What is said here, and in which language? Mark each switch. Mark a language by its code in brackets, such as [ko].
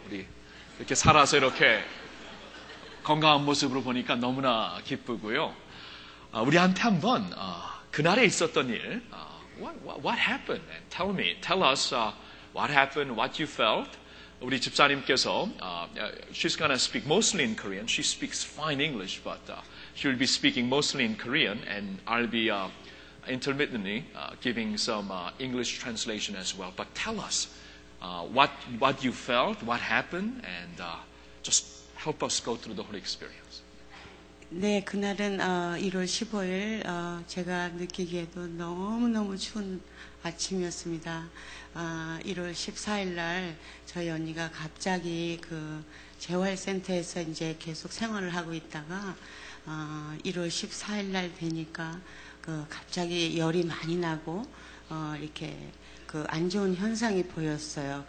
[ko] 우리 이렇게 살아서 이렇게 건강한 모습으로 보니까 너무나 기쁘고요. 우리한테 한번 그날에 있었던 일, [en] what happened? And tell me, tell us what happened, what you felt. [ko] 우리 집사님께서 [en] she's gonna speak mostly in Korean. She speaks fine English, but she will be speaking mostly in Korean, and I'll be intermittently giving some English translation as well. But tell us. What you felt, what happened, and just help us go through the whole experience. [ko] 네, 그날은 1월 15일 제가 느끼기에도 너무너무 추운 아침이었습니다. 1월 14일 날 저희 언니가 갑자기 그 재활센터에서 이제 계속 생활을 하고 있다가 1월 14일 날 되니까 그 갑자기 열이 많이 나고 이렇게 그 안 좋은 현상이 보였어요.